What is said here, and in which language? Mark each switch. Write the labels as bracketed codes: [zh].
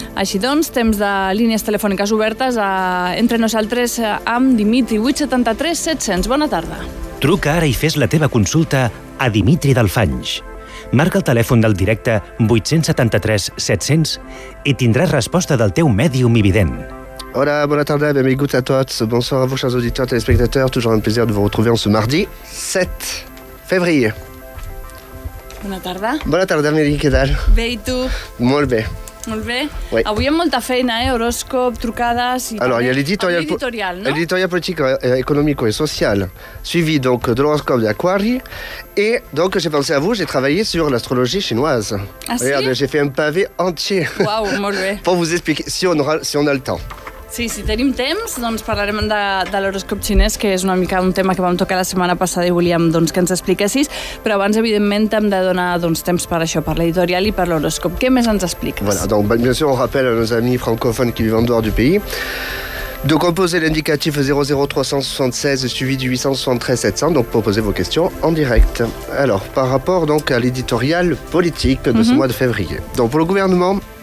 [ca] Així doncs, temps de línies telefòniques obertes a Entre nosaltres amb Dimitri, 873-700. Bona tarda. Truca ara i fes la teva consulta a Dimitri Delfanys. Marca el telèfon del directe 873-700 i tindràs resposta del teu mèdium i vident. Hola, bona tarda, benvinguts a tots. [fr] Bonsoir a vos, chers auditeurs, téléspectateurs. Toujours un plaisir de vous retrouver en ce mardi 7 février. [ca] Bona tarda. Bona tarda, Amélie, què tal? Bé, i tu? Molt bé. Molt bé. Oui. Avui hi ha molta feina, eh? Horòscop, trucades... I alors, també... Hi ha l'editorial, no? [fr] L'editorial politique, économique et sociale, suivi donc de l'horoscope d'Aquarii. Et donc, j'ai pensé à vous, j'ai travaillé sur l'astrologie chinoise. Ah, regarde, J'ai fait un pavé entier. [ca] Wow, molt bé. [fr] Pour vous expliquer, si on a le temps. [ca] Sí, si tenim temps, doncs parlarem de l'horòscop xinès, que és una mica un tema que vam tocar la setmana passada i volíem doncs, que ens expliquessis, però abans, evidentment, hem de donar doncs, temps per això, per l'editorial i per l'horoscop. Què més ens expliques? [fr] Voilà, donc, bien sûr, on rappelle à nos amis francophones qui vivent en dehors du pays de composer l'indicatif 00376 suivi du 873-700, donc pour poser vos questions en direct. Alors, par rapport donc, à l'éditorial politique de ce mois de février. Donc, pour le gouvernement...